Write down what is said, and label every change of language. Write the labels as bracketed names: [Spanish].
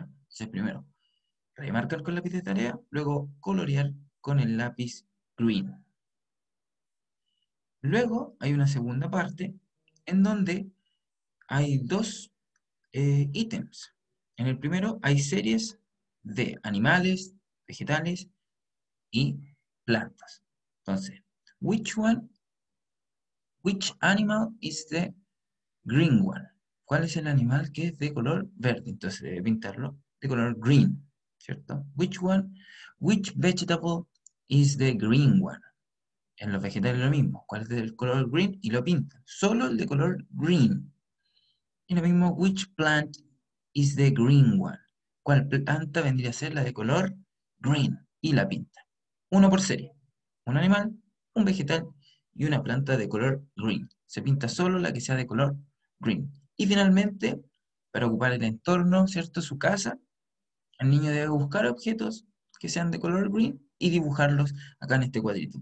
[Spanish] Entonces, primero, remarcar con lápiz de tarea, luego colorear con el lápiz green. Luego, hay una segunda parte en donde hay dos ítems. En el primero, hay series de animales, vegetales y plantas. Entonces, [English] which animal is the green one? [Spanish] ¿Cuál es el animal que es de color verde? Entonces debe pintarlo de color green, ¿cierto? [English] Which vegetable is the green one? [Spanish] En los vegetales lo mismo. ¿Cuál es el color green? Y lo pintan. Solo el de color green. Y lo mismo, [English] which plant is the green one? [Spanish] ¿Cuál planta vendría a ser la de color green? Y la pinta. Uno por serie. Un animal, un vegetal y una planta de color green. Se pinta solo la que sea de color green. Y finalmente, para ocupar el entorno, ¿cierto? Su casa, el niño debe buscar objetos que sean de color green y dibujarlos acá en este cuadrito.